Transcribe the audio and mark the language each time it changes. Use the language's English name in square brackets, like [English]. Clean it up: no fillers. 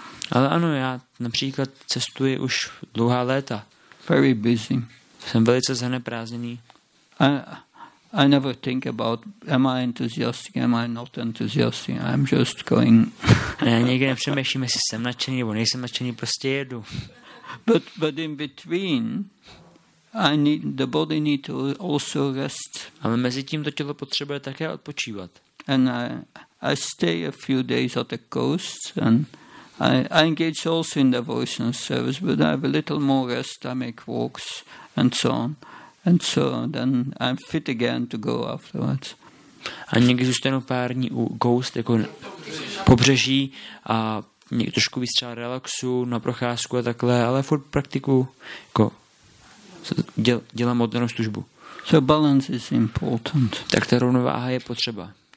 [Czech] Ale ano, já například cestuji už dlouhá léta. [English] Very busy. [Czech] Jsem velice zaneprázdněný. [English] I never think about am I enthusiastic, am I not enthusiastic. I'm just going. [Czech] Já nikdy nepřemýšlím, jestli jsem nadšený nebo nejsem nadšený, prostě jedu. [English] But in between I need the body need to also rest. [Czech] Ale mezi tím to tělo potřebuje také odpočívat. [English] And I stay a few days at the coast, and I engage also in devotional service, but I have a little more rest, I make walks and so on. And so then I'm fit again to go afterwards. [Czech] A někdy zůstanu pár dní u [English] Ghost, [Czech] jako pobřeží, a někdy trošku víc třeba relaxu, na procházku a takhle, ale furt praktiku, jako dělám oddanou službu. [English] So balance is important. [Czech] Tak ta rovnováha je potřeba.